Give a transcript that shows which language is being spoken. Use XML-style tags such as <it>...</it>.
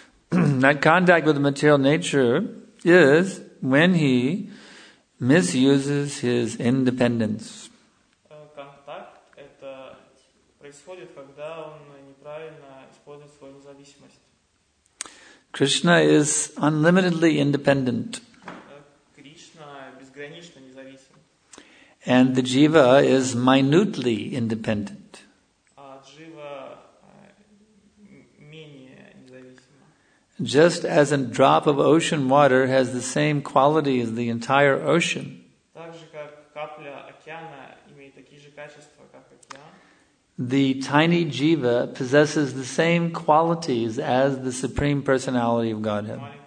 <en>That contact with the material nature is when he misuses his independence.</en> <ru>Контакт – это происходит, когда он неправильно использует свою независимость.</ru> <en>Krishna is unlimitedly independent.</en> <ru>Krishna безгранично независим.</ru> <en>And the jiva is minutely independent.</en> <ru>Jiva менее независима.</ru> <en>Just as a drop of ocean water has the same quality as the entire ocean.</en> <ru>Так же как капля океана имеет такие же качества, как океан.</ru> <en>The tiny jiva possesses the same qualities as the Supreme Personality of Godhead.</en>